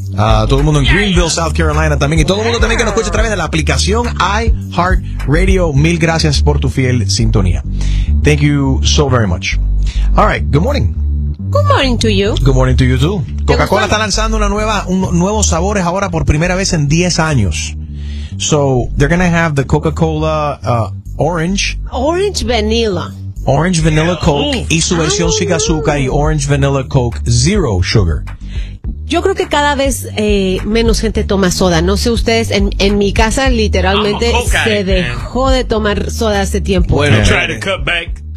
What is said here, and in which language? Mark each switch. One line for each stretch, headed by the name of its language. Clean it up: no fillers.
Spanish: Todo el mundo en Greenville, South Carolina también. Y todo el mundo también que nos escucha a través de la aplicación iHeartRadio. Mil gracias por tu fiel sintonía.
English: Thank you so very much. All right, good morning. Good morning to you. Good morning to you too.
Spanish: Coca-Cola está lanzando nuevos sabores ahora por primera vez en 10 años.
English: So, they're going to have the Coca-Cola Orange. Orange Vanilla. Orange Vanilla Coke.
Spanish: Y su versión sin azúcar y Orange Vanilla Coke Zero Sugar. Yo creo que cada vez menos gente toma soda. No sé ustedes, en mi casa literalmente se dejó de tomar soda hace tiempo.
English: Bueno, try to cut back.